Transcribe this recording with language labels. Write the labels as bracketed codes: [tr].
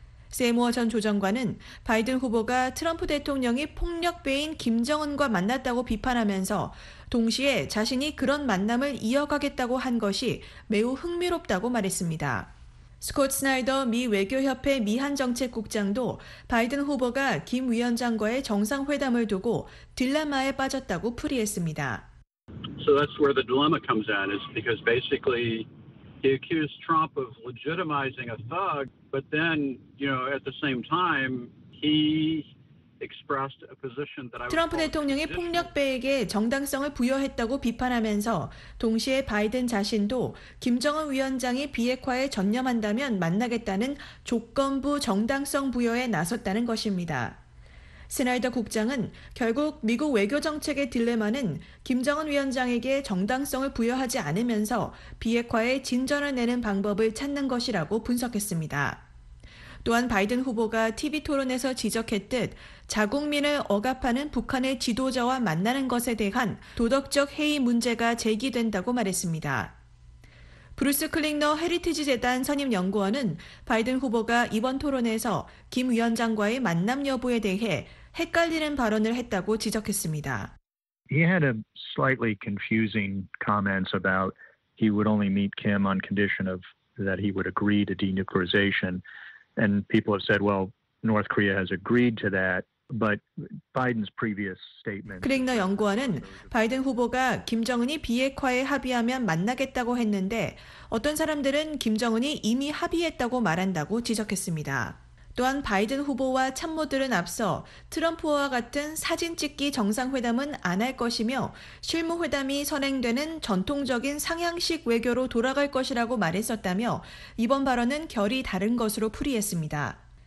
[ko] 세이머 전 조정관은 바이든 후보가 트럼프 대통령이 폭력배인 김정은과 만났다고 비판하면서 동시에 자신이 그런 만남을 이어가겠다고 한 것이 매우 흥미롭다고 말했습니다. 스콧 스나이더 미 외교협회 미한정책국장도 바이든 후보가 김 위원장과의 정상회담을 두고 딜레마에 빠졌다고 풀이했습니다. [en] So that's where the dilemma comes in, is because basically he accused Trump of legitimizing a thug, but then, you know, at the same time he [ko] 트럼프 대통령이 폭력배에게 정당성을 부여했다고 비판하면서 동시에 바이든 자신도 김정은 위원장이 비핵화에 전념한다면 만나겠다는 조건부 정당성 부여에 나섰다는 것입니다. 스나이더 국장은 결국 미국 외교 정책의 딜레마는 김정은 위원장에게 정당성을 부여하지 않으면서 비핵화에 진전을 내는 방법을 찾는 것이라고 분석했습니다. 또한 바이든 후보가 TV 토론에서 지적했듯 자국민을 억압하는 북한의 지도자와 만나는 것에 대한 도덕적 해이 문제가 제기된다고 말했습니다. 브루스 클링너 헤리티지 재단 선임 연구원은 바이든 후보가 이번 토론에서 김 위원장과의 만남 여부에 대해 헷갈리는 발언을 했다고 지적했습니다. [en] He had a slightly confusing comments about he would only meet Kim on condition of that he would agree to denuclearization. And people have said, well, North Korea has agreed to that, but Biden's previous statement. [ko] 클링너 연구원은 바이든 후보가 김정은이 비핵화에 합의하면 만나겠다고 했는데 어떤 사람들은 김정은이 이미 합의했다고 말한다고 지적했습니다. 또한 바이든 후보와 참모들은 앞서 트럼프와 같은 사진 찍기 정상회담은 안 할 것이며 실무회담이 선행되는 전통적인 상향식 외교로 돌아갈 것이라고 말했었다며 이번 발언은 결이 다른 것으로 풀이했습니다.